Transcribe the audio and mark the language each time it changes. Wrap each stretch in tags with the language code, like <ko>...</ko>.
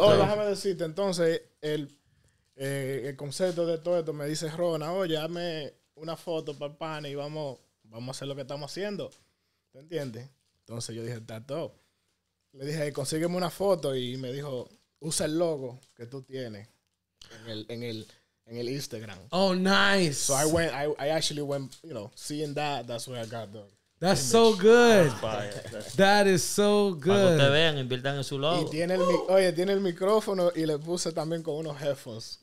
<es>Oh, déjame decirte, entonces, el concepto de todo esto me dice Rona, oye, dame una foto para el pan y vamos a hacer lo que estamos haciendo. ¿Te entiendes? Entonces yo dije, está todo. Le dije, consígueme una foto y me dijo, usa el logo que tú tienes en el Instagram.</es> <en>Oh, nice. So I actually went, you know, seeing that, that's where I got the That's image. So good. That is so good.</en> <es>Para que te vean, inviertan en su logo. Y tiene tiene el micrófono y le puse también con unos headphones.</es>